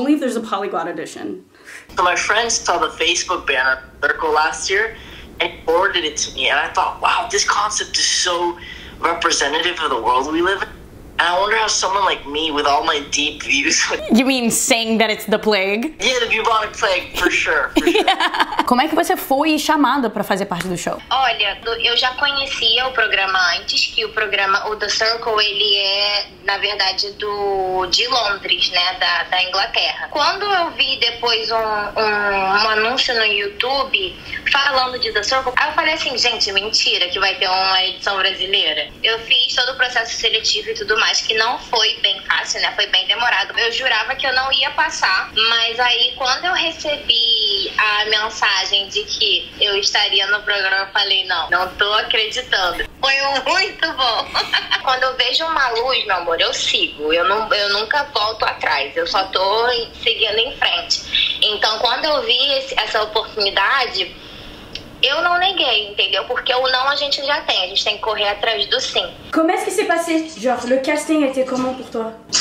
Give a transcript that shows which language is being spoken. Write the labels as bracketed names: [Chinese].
[English] Only if there's a polyglot edition. So my friends saw the Facebook banner The Circle last year and forwarded it to me, and I thought, wow, this concept is so... representative of the world we live in. And I wonder how someone like me, with all my deep views... You mean saying that it's the plague? Yeah, the bubonic plague, for sure. [Portuguese] Como é que você foi chamada pra fazer parte do show? Olha, eu já conhecia o programa antes, que o programa, o The Circle, ele é, na verdade, de Londres, né, da Inglaterra. Quando eu vi depois um anúncio no YouTube falando de The Circle, aí eu falei assim, gente, mentira que vai ter uma edição brasileira. Eu fiz todo o processo seletivo e tudo mais, que não foi bem fácil, né, foi bem demorado. Eu jurava que eu não ia passar, mas aí quando eu recebi a mensagem de que eu estaria no programa, eu falei, não tô acreditando. Foi muito bom. Quando eu vejo uma luz, meu amor, eu sigo. Eu nunca volto atrás. Eu só tô seguindo em frente. Então, quando eu vi essa oportunidade, eu não neguei, entendeu? Porque o não a gente já tem. A gente tem que correr atrás do sim. Como é que se passou, [French] genre, le casting était comment pour toi?